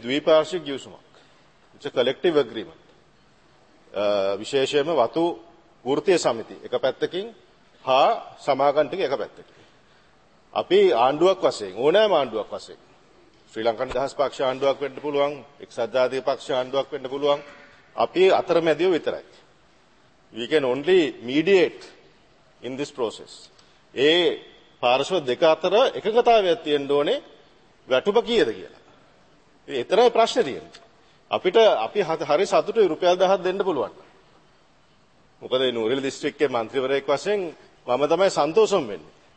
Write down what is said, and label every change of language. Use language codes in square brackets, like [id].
[si] මේ ද්විපාර්ශ්වික ගිවිසුමක්, [en] It's collective agreement. [si] විශේෂයෙන්ම වතු වෘත්තීය සමිති එක පැත්තකින් හා සමාගම්ටික එක පැත්තකින්. අපි ආණ්ඩුවක් වශයෙන්, ඕනෑම ආණ්ඩුවක් වශයෙන්, ශ්‍රී ලංකා නිදහස් පක්ෂ ආණ්ඩුවක් වෙන්න පුළුවන්, එක්සත් ජාතික පක්ෂ ආණ්ඩුවක් වෙන්න පුළුවන්, අපි අතරමැදිව විතරයි. [en] We can only mediate in this process. [si] ඒ පාර්ශ්ව දෙක අතර එකඟතාවයක් තියෙන්න ඕනේ වැටුප කීයද කියලා. ඒතරයි ප්‍රශ්නේ තියෙන්නේ. අපිට අපි හරි සතුටේ රුපියල් 1000ක් දෙන්න පුළුවන්. මොකද මේ නුවරඑළ දිස්ත්‍රික්කයේ මන්ත්‍රීවරයෙක් වශයෙන් මම තමයි සන්තෝෂම වෙන්නේ.